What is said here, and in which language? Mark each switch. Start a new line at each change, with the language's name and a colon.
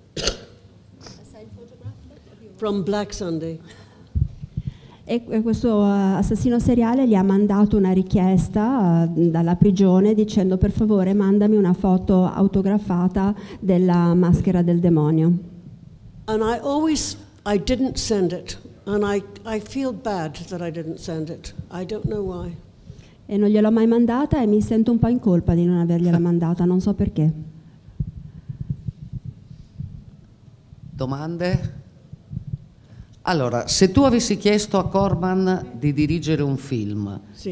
English: A signed photograph? From Black Sunday.
Italian: E questo assassino seriale gli ha mandato una richiesta dalla prigione dicendo per favore mandami una foto autografata della maschera del demonio.
English: And I didn't send it. And I feel bad that I didn't send it. I don't know why.
Italian: E non gliel'ho mai mandata e mi sento un po' in colpa di non avergliela mandata, non so perché. Domande? Allora, se tu avessi chiesto a Corman di dirigere un film, sì.